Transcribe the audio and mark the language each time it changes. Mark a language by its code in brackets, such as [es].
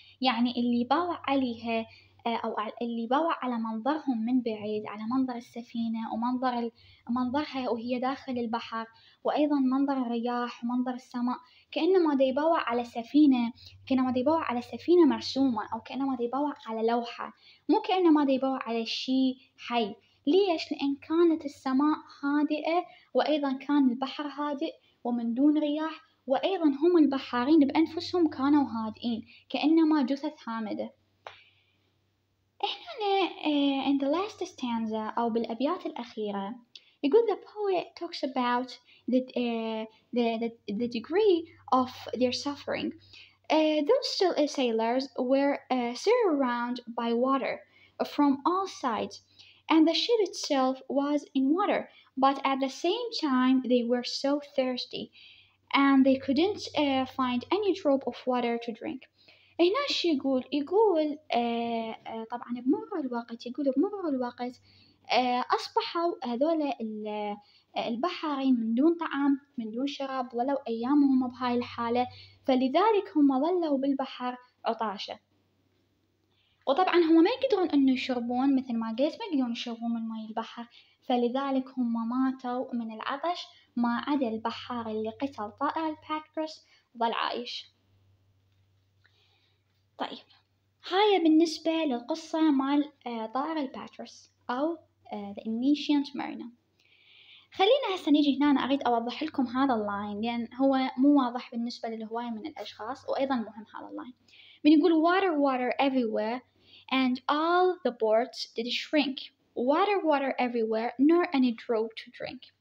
[ar] يعني اللي باوع عليها أو اللي باوع على منظرهم من بعيد، على منظر السفينة ومنظر منظرها وهي داخل البحر، وأيضا منظر الرياح ومنظر السماء، كأنما دي باوع على سفينة، كأنما دي باوع على سفينة مرسومة، أو كأنما دي باوع على لوحة، مو كأنما دي باوع على شيء حي. ليش؟ لأن كانت السماء هادئة، وأيضا كان البحر هادئ ومن دون رياح، وأيضا هم البحارين بأنفسهم كانوا هادئين كأنما جثث هامدة. إحنا [en] in the last stanza [ar] أو بالأبيات الأخيرة، يقول [en] the poet talks about the degree of their suffering. Those still sailors were surrounded by water from all sides, and the ship itself was in water, but at the same time they were so thirsty. and they couldn't find any drop of water to drink. [ar] هنا شو يقول؟ يقول طبعا بمرور الوقت، يقول بمرور الوقت أصبحوا هذول البحارين من دون طعام، من دون شراب، ولو أيامهم بهاي الحالة، فلذلك هم ظلوا بالبحر عطاشة. وطبعا هم ما يقدرون أنه يشربون مثل ما قلت، ما يقدرون يشربون من ماء البحر، فلذلك هم ماتوا من العطش، ما عدا البحار اللي قتل طائر الباكرس ظل عايش. طيب هاي بالنسبة للقصة مال طائر الباكرس أو The Ancient Mariner. خلينا هسه نيجي هنا، أنا أريد أوضح لكم هذا اللاين لأن هو مو واضح بالنسبة للهواية من الأشخاص، وأيضا مهم هذا اللاين. من يقول [en] water water everywhere and all the boats did shrink. Water water everywhere nor any drop to drink.